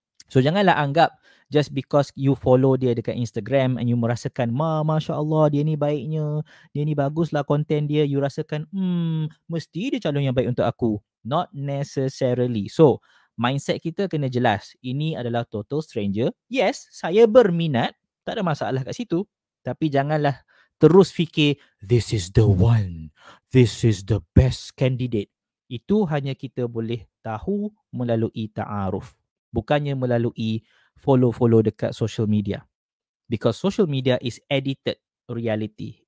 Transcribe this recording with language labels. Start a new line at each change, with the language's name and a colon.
Malay: So janganlah anggap
English: just because you follow
Malay: dia dekat Instagram and you merasakan, Masya Allah, dia ni baiknya, dia ni baguslah content dia, you rasakan, mesti dia calon yang baik untuk aku.
English: Not necessarily.
Malay: So, mindset kita kena jelas. Ini adalah total stranger. Yes, saya berminat. Tak ada masalah kat situ. Tapi janganlah terus fikir,
English: this is the one. This is the best candidate.
Malay: Itu hanya kita boleh tahu melalui ta'aruf. Bukannya melalui follow-follow dekat social media.
English: Because social media is edited reality.